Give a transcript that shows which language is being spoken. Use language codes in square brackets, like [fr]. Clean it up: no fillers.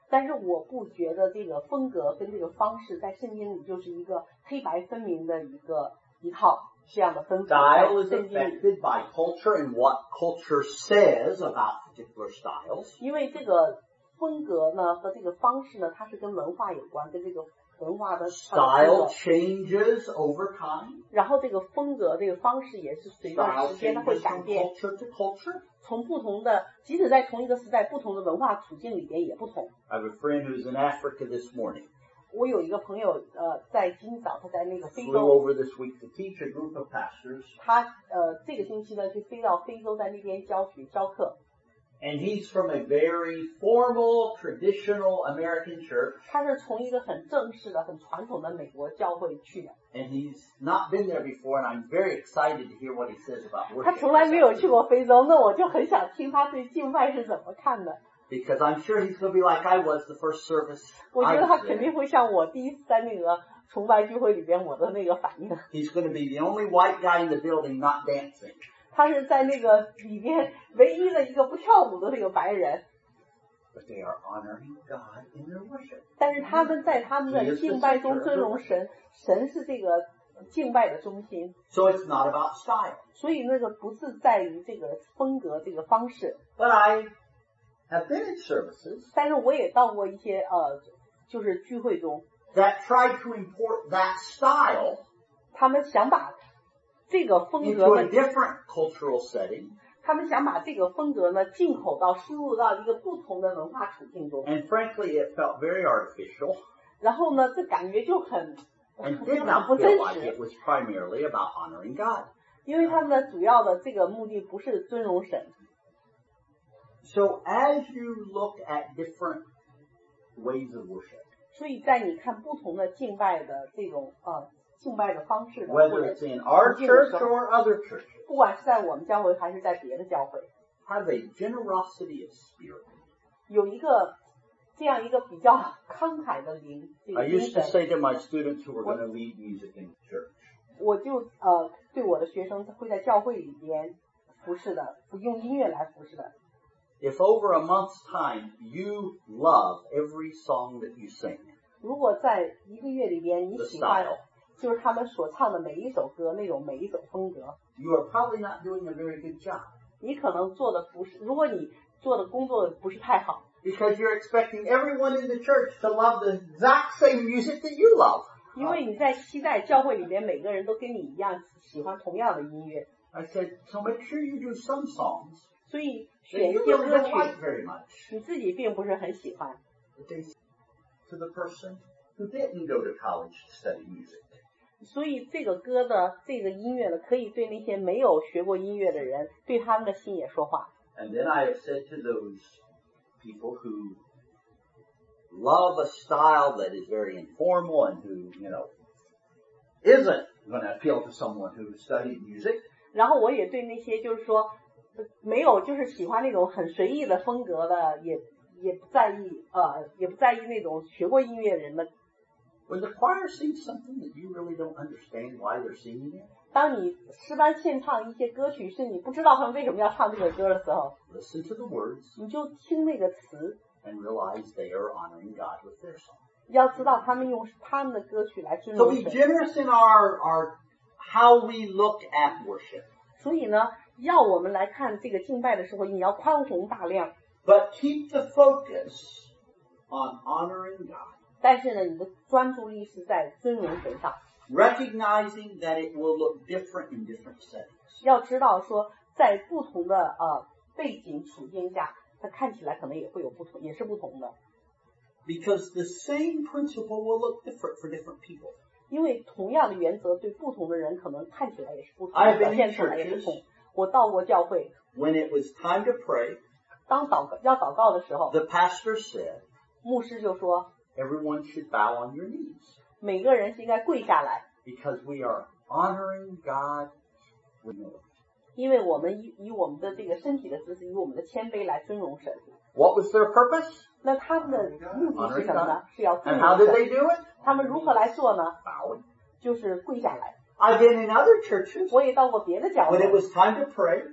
[zh] 但是我不觉得这个风格跟这个方式在圣经里就是一个黑白分明的一个一套这样的分格。 [en] Style is affected by culture and what culture says about particular styles. [zh] 因为这个风格呢和这个方式呢，它是跟文化有关，跟这个。文化的 [en] style changes over time. [zh] 然后这个风格这个方式也是随着时间它会改变。 [en] Culture to culture. [zh] 从不同的即使在同一个时代不同的文化处境里边也不同。 [en] I have a friend who's in Africa this morning. [zh] 我有一个朋友在今早他在那个非洲。 [en] Flew over this week to teach a group of pastors. [zh] 他这个星期呢去飞到非洲在那边教学教课。 [en] And he's from a very formal, traditional American church. [zh] 他是从一个很正式的、很传统的美国教会去的。 [en] And he's not been there before, and I'm very excited to hear what he says about worship. [zh] 他从来没有去过非洲，那我就很想听他对敬拜是怎么看的。 [en] Because I'm sure he's going to be like I was the first service. [zh] 我觉得他肯定会像我第一次在那个崇拜聚会里边我的那个反应。 [en] He's going to be the only white guy in the building not dancing. [zh] 他是在那个里边唯一的一个不跳舞的那个白人。 [en] But they are honoring God in their worship. [zh] 但是他们在他们的敬拜中尊荣神，神是这个敬拜的中心。 [en] So it's not about style. [zh] 所以那个不是在于这个风格这个方式。 [en] But I have been in services. [zh] 但是我也到过一些就是聚会中。 [en] That tried to import that style. [zh] 他们想把这个风格 [en] into a different cultural setting, [zh] 他们想把这个风格呢进口到输入到一个不同的文化处境中。 [en] And frankly, it felt very artificial. [zh] 然后呢，这感觉就很 [en] and did not feel like it was primarily about honoring God. [zh] 因为他们的主要的这个目的不是尊荣神。 [en] So as you look at different ways of worship, [zh] 所以在你看不同的敬拜的这种敬拜的方式的 [en] whether it's in our church or other churches, [zh] 不管是在我们教会还是在别的教会 [en] have a generosity of spirit. [zh] 有一个这样一个比较慷慨的灵、这个、 [en] I used to say to my students who were going to lead music in church, [zh] 我就对我的学生会在教会里边服侍的用音乐来服侍的 [en] if over a month's time you love every song that you sing, [zh] 如果在一个月里边你喜欢 [en] the style, [zh] 就是他们所唱的每一首歌那种每一种风格 [en] You are probably not doing a very good job. [zh] 你可能做的不是如果你做的工作不是太好 [en] Because you're expecting everyone in the church to love the exact same music that you love. [zh] 因为你在期待教会里面每个人都跟你一样喜欢同样的音乐 [en] I said, so make sure you do some songs. [zh] 所以选一些歌曲 [en] that you don't like very much. [zh] 你自己并不是很喜欢 [en] But they say to the person who didn't go to college to study music. [zh] 所以这个歌的这个音乐呢可以对那些没有学过音乐的人对他们的心也说话 [en] And then I have said to those people who love a style that is very informal and who, you know, isn't going to appeal to someone who studied music [zh] 然后我也对那些就是说没有就是喜欢那种很随意的风格的也不在意也不在意那种学过音乐的人们 [en] When the choir sings something that you really don't understand why they're singing it, [zh] 当你诗班献唱一些歌曲是你不知道他们为什么要唱这个歌的时候 [en] listen to the words, [zh] 你就听那个词 [en] and realize they are honoring God with their song. [zh] 要知道他们用他们的歌曲来尊重神。 [en] So be generous in our how we look at worship. [zh] 所以呢，要我们来看这个敬拜的时候，你要宽宏大量。 [en] But keep the focus on honoring God. [zh] 但是呢，你的专注力是在尊荣神上。 [en] Recognizing that it will look different in different settings. [zh] 要知道说，在不同的背景处境下，它看起来可能也会有不同，也是不同的。 [en] Because the same principle will look different for different people. [zh] 因为同样的原则对不同的人可能看起来也是不同，表现出来也不同。我到过教会。 [en] When it was time to pray, [zh] 当祷告要祷告的时候 [en] ，the pastor said, [zh] 牧师就说。 [en] Everyone should bow on your knees. [zh] 每个人应该跪下来。 [en] Because we are honoring God with our lives. [zh] 因为我们以我们的这个身体的姿势，以我们的谦卑来尊荣神。 [en] What was their purpose? [zh] 那他们的目的是什么呢？是要尊荣神。 [en] And how did they do it? [zh] 他们如何来做呢 [en] ？Bowing. [zh] 就是跪下来。 [en] I've been in other churches. [zh] 我也到过别的教会。 [en] When it was time to pray,